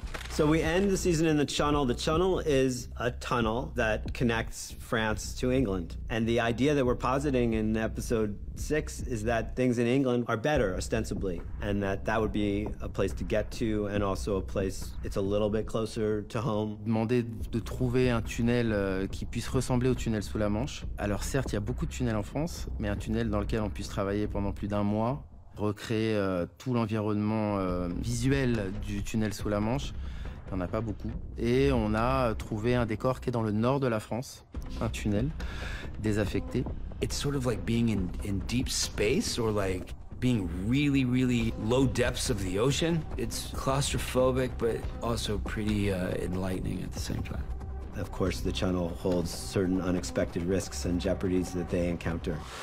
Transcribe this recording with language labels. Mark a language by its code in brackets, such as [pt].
[en] So we end the season in the Channel. The Channel is a tunnel that connects France to England. And the idea that we're positing in episode 6 is that things in England are better, ostensibly, and that that would be a place to get to and also a place it's a little bit closer to home. [fr] Demander de trouver un tunnel qui puisse ressembler au tunnel sous la Manche. Alors certes, il y a beaucoup de tunnels en France, mais un tunnel dans lequel on puisse travailler pendant plus d'un mois, recréer tout l'environnement visuel du tunnel sous la Manche. Il n'y en a pas beaucoup. Et on a trouvé un décor qui est dans le nord de la France, un tunnel désaffecté. [en] It's sort of like being in deep space or like being really, really low depths of the ocean. It's claustrophobic, but also pretty enlightening at the same time. Of course, the channel holds certain unexpected risks and jeopardies that they encounter.